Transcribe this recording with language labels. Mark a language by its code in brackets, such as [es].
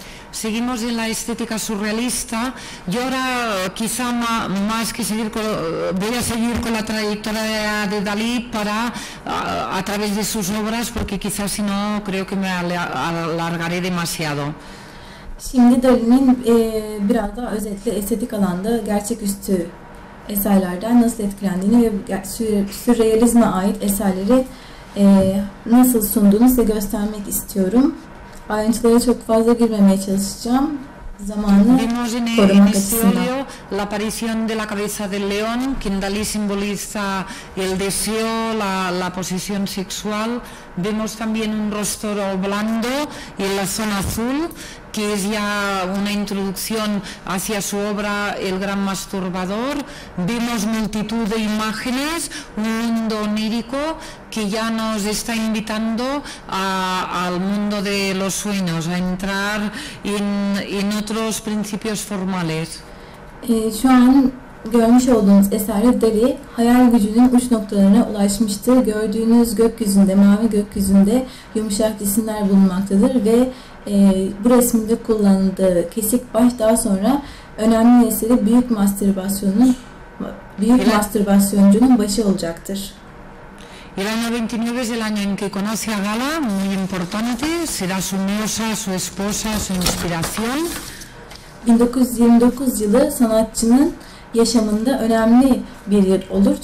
[es] Seguimos en la estética surrealista. Yo ahora quizá más que seguir con, voy a seguir con la trayectoria de Dalí para a través de sus obras, porque quizás si no creo que me alargaré demasiado. [tr] Şimdi Dalí'nin biraz daha özetle estetik alanda gerçeküstü eserlerden nasıl etkilendiğini ve sürrealizme ait eserleri nasıl sunduğunu size göstermek istiyorum. Ayrıntılara çok fazla girmemeye çalışacağım. Zamanı korumak açısından. [es] La aparición de la cabeza del león, que en Dalí simboliza el deseo, la posesión sexual. Vemos también un rostro blando y en la zona azul, que es ya una introducción hacia su obra El gran masturbador. Vemos multitud de imágenes, un mundo onírico que ya nos está invitando al mundo de los sueños, a entrar en otros principios formales. [tr] Şu an görmüş olduğunuz eserde Dalí hayal gücünün uç noktalarına ulaşmıştır. Gördüğünüz gökyüzünde, mavi gökyüzünde yumuşak cisimler bulunmaktadır ve bu resimde kullanıldığı kesik baş daha sonra önemli eseri büyük mastürbasyoncunun başı olacaktır. [es] El año 29 es el año en que conoce a Gala, muy importante, será su musa, su esposa, su inspiración. [tr] 1929 yılı sanatçının yaşamında önemli bir yıl olur.